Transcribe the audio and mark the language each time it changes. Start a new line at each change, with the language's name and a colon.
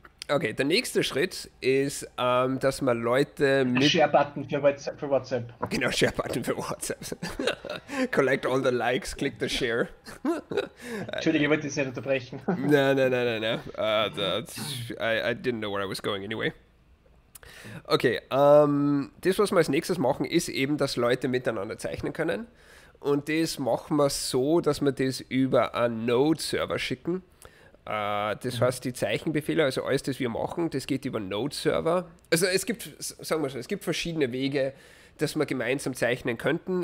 German: Okay, der nächste Schritt ist, dass man Leute mit. Share-Button für WhatsApp. Genau, Share-Button für WhatsApp.
English: Collect all the likes, click the share.
German: Entschuldige, ich wollte dich nicht unterbrechen. Nein, nein, nein, nein, nein.
English: I didn't know where I was going anyway.
German: Okay, das, was wir als nächstes machen, ist eben, dass Leute miteinander zeichnen können. Und das machen wir so, dass wir das über einen Node-Server schicken. Das heißt, die Zeichenbefehle, also alles, das wir machen, das geht über Node-Server. Also es gibt, sagen wir so, es gibt verschiedene Wege, dass wir gemeinsam zeichnen könnten.